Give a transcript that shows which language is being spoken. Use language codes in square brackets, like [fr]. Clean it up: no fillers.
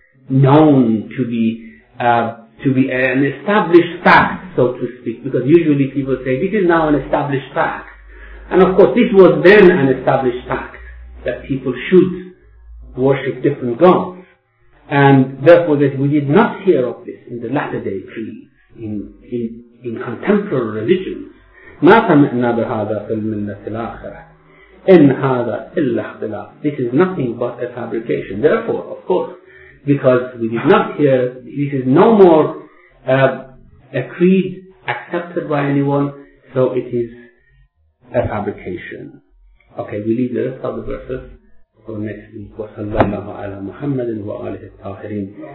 [en] known to be an established fact, so to speak, because usually people say this is now an established fact, and of course this was then an established fact that people should worship different gods, and therefore that we did not hear of this in the latter day creeds in contemporary religions. [ar] ما سمعنا بهذا في الملة الآخرة إن هذا إلا اختلاف. [en] This is nothing but a fabrication. Therefore, of course, because we did not hear, this is no more a creed accepted by anyone, so it is a fabrication. Okay, we leave the rest of the verses for next week. [ar] Wa sallallahu ala Muhammadin wa alihi al-tahirin.